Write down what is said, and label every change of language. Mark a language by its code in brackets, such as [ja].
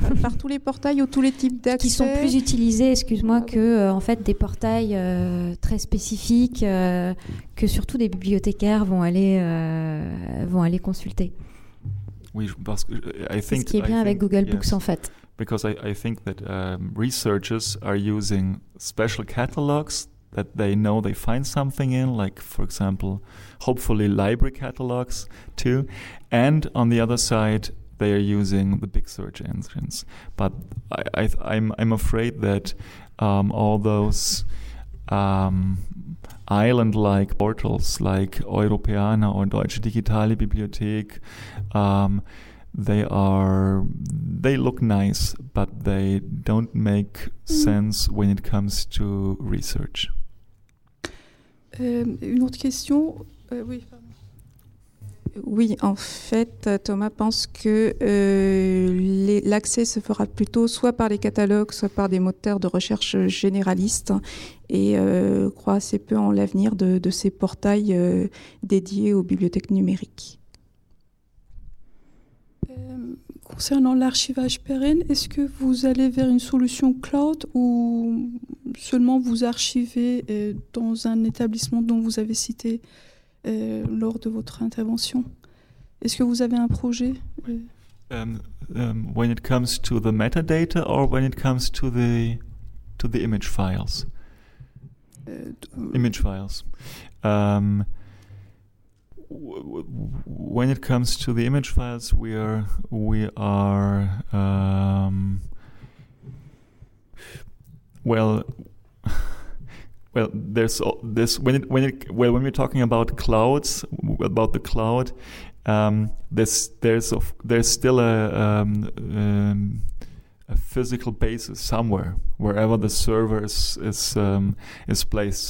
[fr] Par tous les portails ou tous les types d'accès... Qui sont plus utilisés, excuse-moi, que en fait, des portails très spécifiques que surtout des bibliothécaires vont aller consulter. Oui, parce que... avec Google Books, yes. En fait. [en] Because I think that researchers are using special catalogs that they know they find something in, like, for example, hopefully library catalogs too. And on the other side, they are using the big search engines. But I'm afraid that all those island-like portals like Europeana or Deutsche Digitale Bibliothek, they look nice, but they don't make sense when it comes to research. [fr] Une autre question. Oui. Oui, en fait, Thomas pense que l'accès se fera plutôt soit par les catalogues, soit par des moteurs de recherche généralistes, et croit assez peu en l'avenir de ces portails dédiés aux bibliothèques numériques. Concernant l'archivage pérenne, est-ce que vous allez vers une solution cloud ou seulement vous archivez dans un établissement dont vous avez cité lors de votre intervention ? Est-ce que vous avez un projet ? Oui. [en] when it comes to the metadata or when it comes to the image files? Image files. When it comes to the image files, we are when we're talking about clouds, about the cloud, there's still a physical basis somewhere, wherever the server is placed.